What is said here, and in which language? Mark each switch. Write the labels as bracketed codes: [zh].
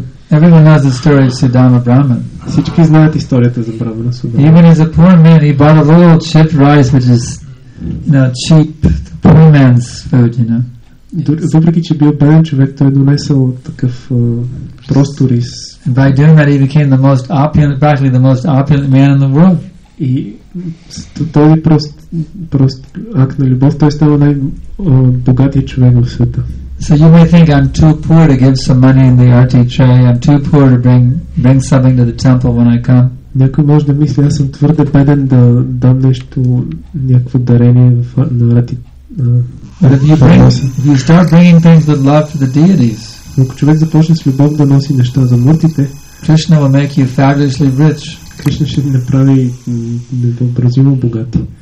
[en] Everyone knows the story of Sudama Brahman. [bg] Всички знаят историята за Брамана Судама. [en] Even as a poor man, he bought a little chip rice, which is, you know, cheap, the poor man's food, you know. [bg] Въпреки че бил беден човек, той донесъл такъв просто рис. [en] By doing that, he became the most opulent, practically the most opulent man in the world. [bg] И този прост акт на любов, той става най-богатия човек в света. [en] So you may think I'm too poor to give some money in the RT tray. I'm too poor to bring something to the temple when I come. [bg] Някой може да мисли, аз съм твърде беден да дам нещо, някакво дарение на RT. [en] If you start bringing things with love for the deities, [bg] ако човек започне с любов да носи неща за мъртвите, [en] Krishna will make you fabulously rich. [bg] Кришна ще ви направи невъобразимо богати.